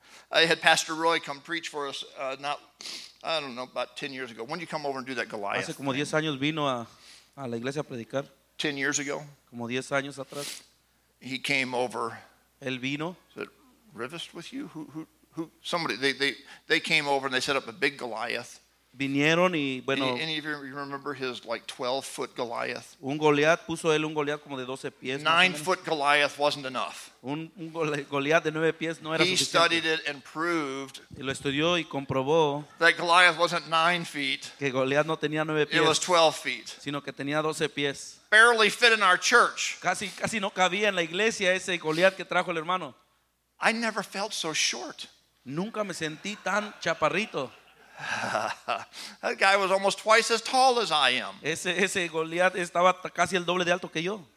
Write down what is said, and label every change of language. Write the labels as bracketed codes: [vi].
[en] I had Pastor Roy come preach for us not, I don't know, about 10 years ago. When did you come over and do that Goliath? [es] Hace como 10 años vino a la iglesia a predicar. [en] 10 years ago. [es] Como 10 años atrás. [en] He came over. [es] El vino. [en] Is it Rivest with you? Who somebody they came over and they set up a big Goliath. [es] Vinieron y bueno. [en] Any of you remember his like 12-foot Goliath? [es] Un Goliath, puso él un Goliath como de 12 pies. [en] 9-foot Goliath wasn't enough. [es] Un Goliath de 9 pies no era suficiente. [en] He studied it and proved. [es] Y lo estudió y comprobó. [en] That Goliath wasn't 9 feet. [es] Que Goliath no tenía 9 pies. [en] It was 12 feet. [es] Sino que tenía 12 pies. [en] Barely fit in our church. [es] Casi no cabía en la iglesia ese Goliath que trajo el hermano. [en] I never felt so short. [es] Nunca me sentí tan chaparrito. [en] That guy was almost twice as tall as I am. [es] Ese Goliath estaba casi el doble de alto que yo.